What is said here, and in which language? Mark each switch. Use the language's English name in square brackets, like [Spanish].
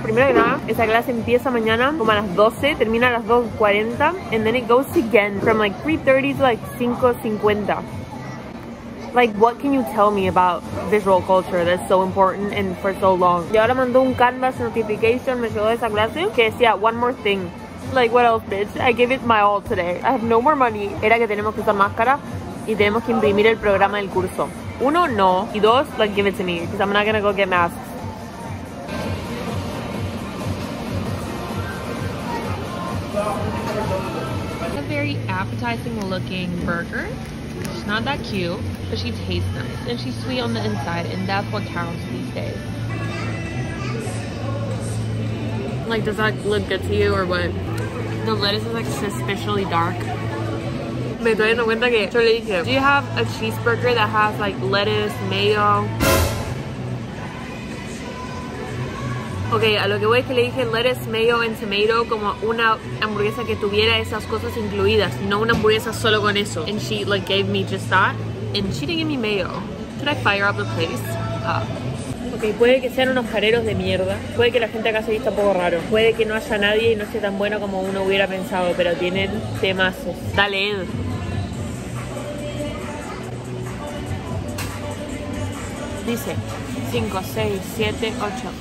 [Spanish] Primero que nada, esa clase empieza mañana como a las 12. Termina a las 2:40. [English] And then it goes again from like 3:30 to like 5:50. Like, what can you tell me about visual culture that's so important and for so long? [Spanish] Y ahora mandó un canvas notification, me llegó de esa clase, que decía, [English] one more thing. Like, what else, bitch? I gave it my all today. I have no more money. [Spanish] Era que tenemos que usar máscara y tenemos que imprimir el programa del curso. Uno, no. Y dos, [English] like, give it to me, because I'm not gonna go get masks. A very appetizing looking burger. She's not that cute, but she tastes nice. And she's sweet on the inside, and that's what counts these days. Like, does that look good to you, or what? The lettuce is, like, suspiciously dark. [Spanish] Me estoy dando cuenta que yo le dije, [English] do you have a cheeseburger that has, like, lettuce, mayo? [Spanish] Okay, a lo que voy es que le dije [English] lettuce, mayo, and tomato [Spanish] como una hamburguesa que tuviera esas cosas incluidas, no una hamburguesa solo con eso. [English] And she like gave me just that, and she didn't give me mayo. Should I fire up the place? [Spanish] Okay, puede que sean unos careros de mierda, puede que la gente acá se vista un poco raro, puede que no haya nadie y no sea tan bueno como uno hubiera pensado, pero tienen temazos. Dale, Ed. Dice 5, 6, 7, 8.